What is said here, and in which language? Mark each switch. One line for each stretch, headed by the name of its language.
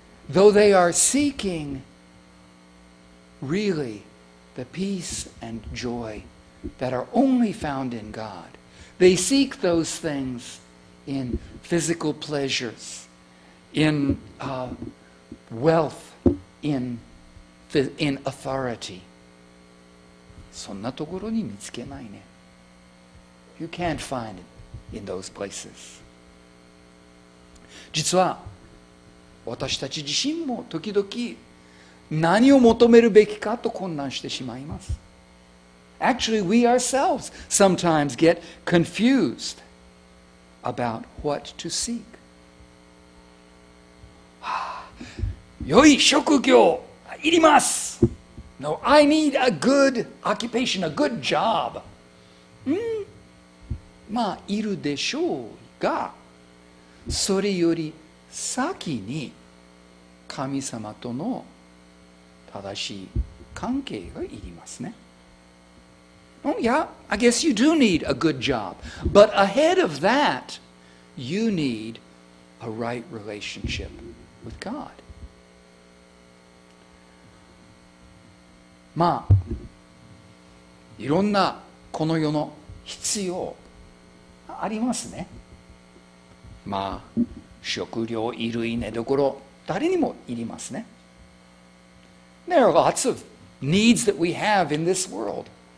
English: Though they are seeking really the peace and joy that are only found in God, they seek those things in physical pleasures, in wealth, in authority.
Japanese: そんなところに見つけないね。
English: You can't find it in those places.
Japanese: 実は私たち自身も時々何を求めるべきかと混乱してしまいます。
English: Actually, we ourselves sometimes get confused about what to seek.
Japanese: 良い職業いります。
English: No, I need a good occupation, a good job. ん?
Japanese: まあ、いるでしょうが、それより先に神様との正しい関係がいりますね。
English: Oh, yeah, I guess you do need a good job. But ahead of that, you need a right relationship with God.
Japanese: まあ、いろんなこの世の必要ありますね。まあ、食料、衣類、寝所、誰にもいりますね。
English: There are lots of needs that we have in this world.